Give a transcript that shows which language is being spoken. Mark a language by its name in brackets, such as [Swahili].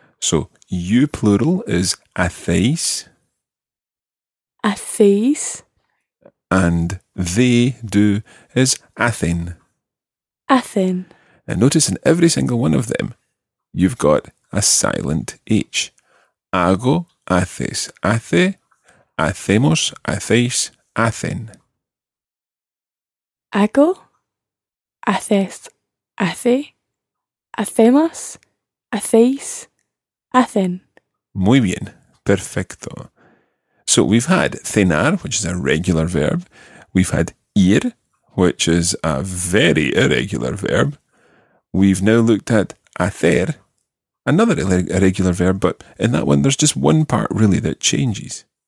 [English] So, you plural is hacéis. [Spanish] Hacéis. [English] And they do is hacen. [Spanish] Hacen. [English] And notice in every single one of them, you've got a silent H. [Spanish] Hago, haces, hace, hacemos, hacéis, hacen. Hago, haces, hace, hacemos, hacéis, hacen. Muy bien, perfecto. [English] So we've had cenar, which is a regular verb. We've had ir, which is a very irregular verb. We've now looked at hacer, another irregular verb, but in that one, there's just one part, really, that changes.